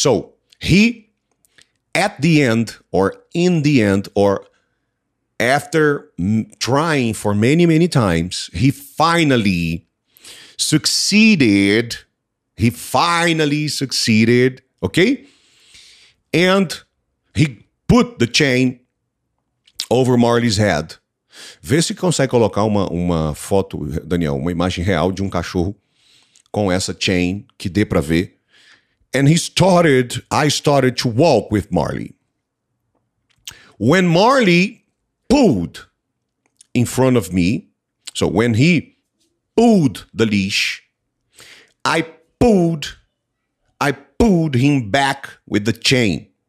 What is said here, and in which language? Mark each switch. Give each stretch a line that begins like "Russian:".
English: So he, at the end, or in the end, or after trying for many, many times, he finally succeeded, okay? And he put the chain over Marley's head.
Portuguese: Vê se consegue colocar uma foto, Daniel, uma imagem real de um cachorro com essa chain que dê pra ver.
English: And I started to walk with Marley. When Marley pulled in front of me, so when he pulled the leash, I pulled him back with the chain.